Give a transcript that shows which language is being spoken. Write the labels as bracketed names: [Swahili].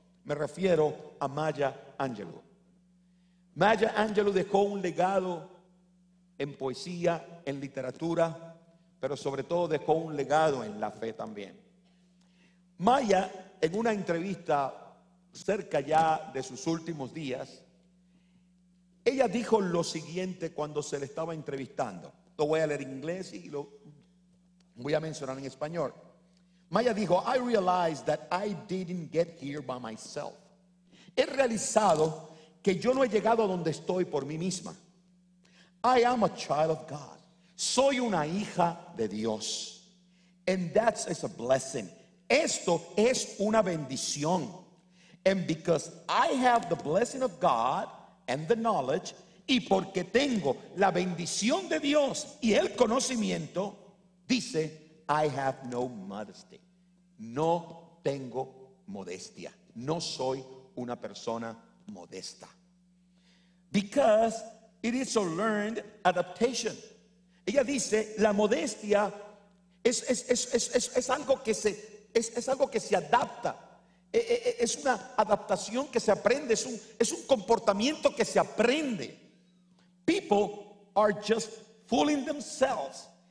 [Spanish] Me refiero a Maya Angelou. Maya Angelou dejó un legado en poesía, en literatura, pero sobre todo dejó un legado en la fe también. Maya, en una entrevista cerca ya de sus últimos días, ella dijo lo siguiente cuando se le estaba entrevistando. Lo voy a leer en inglés y lo voy a mencionar en español. Maya dijo: [English] I realized that I didn't get here by myself. [Spanish] He realizado que yo no he llegado a donde estoy por mí misma. [English] I am a child of God. [Spanish] Soy una hija de Dios. [English] And that is a blessing. [Spanish] Esto es una bendición. [English] And because I have the blessing of God and the knowledge, [Spanish] y porque tengo la bendición de Dios y el conocimiento, dice, [English] I have no modesty. [Spanish] No tengo modestia. No soy una persona modesta. [English] Because it is a learned adaptation. [Spanish] Ella dice, la modestia es algo que se adapta. Es una adaptación que se aprende, es un comportamiento que se aprende. [English] People are just fooling themselves.